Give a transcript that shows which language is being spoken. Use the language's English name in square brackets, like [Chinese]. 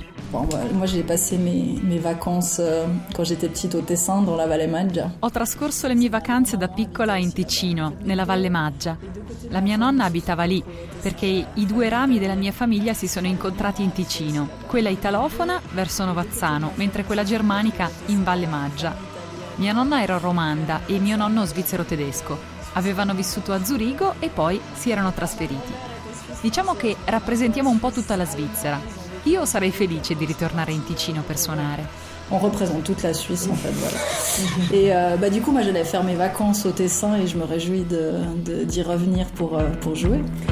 [French] Moi, j'ai passé mes vacances quand j'étais petite au Tessin dans la Valle Maggia. [Italian] Ho trascorso le mie vacanze da piccola in Ticino, nella Valle Maggia. La mia nonna abitava lì perché i due rami della mia famiglia si sono incontrati in Ticino, quella italofona verso Novazzano, mentre quella germanica in Valle Maggia. Mia nonna era romanda e mio nonno svizzero-tedesco. Avevano vissuto a Zurigo e poi si erano trasferiti. Diciamo che rappresentiamo un po' tutta la Svizzera. Io sarei felice di ritornare in Ticino per suonare. [French] On représente toute la Suisse en fait, voilà. Et bah du coup moi j'allais faire mes vacances au Tessin et je me réjouis d'y revenir pour jouer.